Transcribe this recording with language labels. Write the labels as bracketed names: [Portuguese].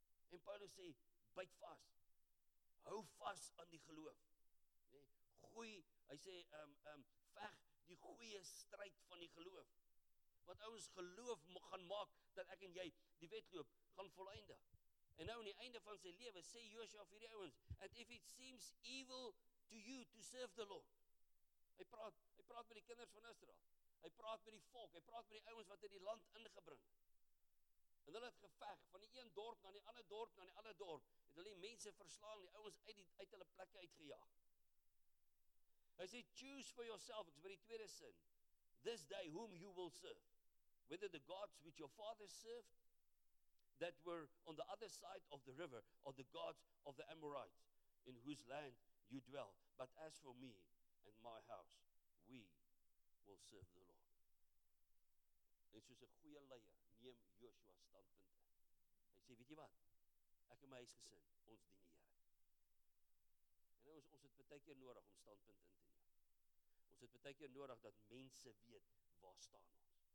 [Afrikaans] En Paulus sê, byt vas, hou vas aan die geloof, nee, gooi, hy sê, veg die goeie stryd van die geloof, wat ouens geloof gaan maak, dat ek en jy die wedloop gaan volleinde, en nou in die einde van sy lewe, sê Joshua vir die ouens, and if it seems evil to you to serve the Lord, hy praat met die kinders van Israel, hy praat met die volk, hy praat met die ouens wat in die land ingebring, en hulle het geveg, van die een dorp na die ander dorp, na die ander dorp, het hulle die mense verslaan, die ouens uit hulle plekke uitgejaag. [English] Hy sê, choose for yourself, ek is by die tweede sin, this day whom you will serve, whether the gods which your fathers served, that were on the other side of the river, or the gods of the Amorites, in whose land you dwell, but as for me and my house, we will serve the Lord. [Afrikaans] En soos 'n goeie leier, neem Joshua standpunt in. Hy sê, weet jy wat? Ek en my huisgesin, ons dien die Here. En nou, ons het partykeer nodig om standpunt in te neem. Ons het partykeer nodig dat mense weet waar staan ons.